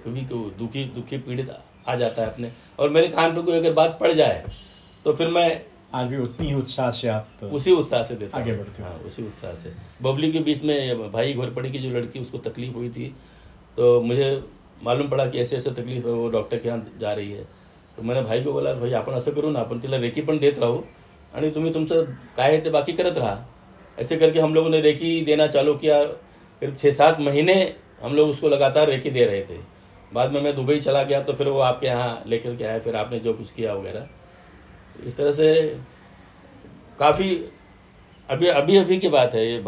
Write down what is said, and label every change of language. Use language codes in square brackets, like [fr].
[hi] कभी को दुखी दुखी पीड़ित आ जाता है अपने, और मेरे कान पे कोई अगर बात पड़ जाए तो फिर मैं आज भी उतनी उत्साह से आप तो उसी उत्साह से देता आगे बढ़ते हो। हाँ, उसी उत्साह से। बबली के बीच में भाई घोरपड़ी की जो लड़की, उसको तकलीफ हुई थी, तो मुझे मालूम पड़ा कि ऐसे ऐसे तकलीफ है, वो डॉक्टर के यहाँ जा रही है। तो मैंने भाई को बोला भाई [mr] आपन असं करू ना, आपन तिला रेखी पण देत राहू आणि तुम्ही तुमचं काय ते बाकी करत रहा। [hi] ऐसे करके हम लोगों ने रेखी देना चालू किया। करीब 6-7 महीने हम लोग उसको लगातार रेखी दे रहे थे। बाद में मैं दुबई चला गया तो फिर वो आपके यहाँ लेकर के आया, फिर आपने जो कुछ किया वगैरह, इस तरह से काफ़ी अभी अभी अभी की बात है।